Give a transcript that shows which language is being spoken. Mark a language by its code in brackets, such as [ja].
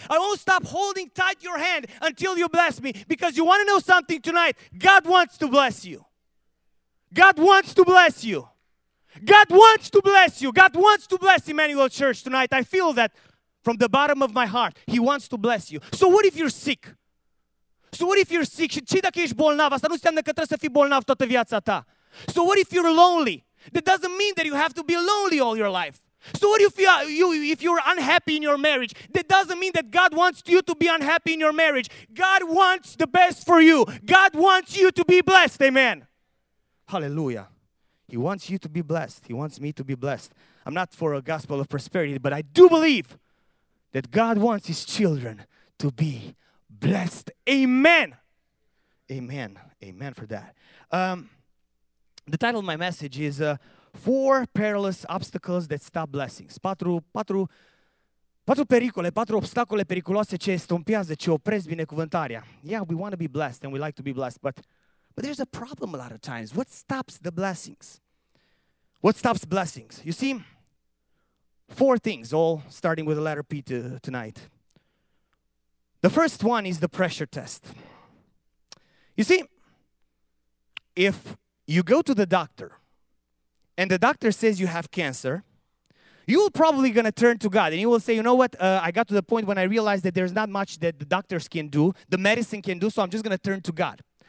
[en] I won't stop holding tight your hand until you bless me. Because you want to know something tonight? God wants to bless you. God wants to bless you. God wants to bless you. God wants to bless Emmanuel Church tonight. I feel that from the bottom of my heart. He wants to bless you. So what if you're sick? So what if you're sick? [ro] Și dacă ești bolnav, asta nu înseamnă că trebuie să fii bolnav toată viața ta. [en] So what if you're lonely? That doesn't mean that you have to be lonely all your life. So what if you're unhappy in your marriage? That doesn't mean that God wants you to be unhappy in your marriage. God wants the best for you. God wants you to be blessed. Amen. Hallelujah. He wants you to be blessed. He wants me to be blessed. I'm not for a gospel of prosperity, but I do believe that God wants his children to be blessed. Amen. Amen. Amen for that. The title of my message is Four Perilous Obstacles That Stop Blessings. [ro] Patru pericole, patru obstacole periculoase ce stompează, ce opresc binecuvântarea. [en] Yeah, we want to be blessed and we like to be blessed, but there's a problem a lot of times. What stops the blessings? What stops blessings? You see, four things, all starting with the letter P tonight. The first one is the pressure test. You see, if you go to the doctor, and the doctor says you have cancer, you're probably going to turn to God, and you will say, you know what, I got to the point when I realized that there's not much that the doctors can do, the medicine can do, so I'm just going to turn to God.